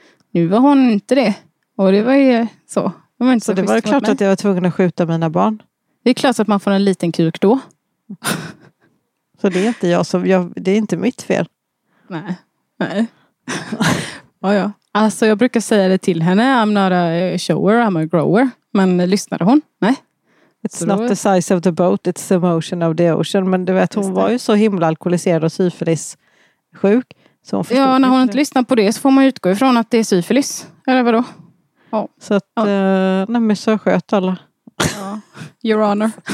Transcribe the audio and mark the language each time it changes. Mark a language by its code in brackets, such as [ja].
[sv] Nu var hon inte det. Och det var ju så. Det var inte så det var klart med. Att jag var tvungen att skjuta mina barn. Det är klart att man får en liten kuk då. Så det är inte jag som, det är inte mitt fel. Nej, nej. Ja, ja. Alltså jag brukar säga det till henne. [en] I'm not a shower, I'm a grower. [sv] Men lyssnade hon? Nej. [en] It's not the size of the boat, it's the motion of the ocean. [sv] Men du vet, hon var ju så himla alkoholiserad och syfilis sjuk. Så hon ja, när hon inte lyssnar på det så får man utgå ifrån att det är syfilis. Eller vadå? Oh. Så att, oh. Nej men så sköt alla. [en] Ja. Your honor.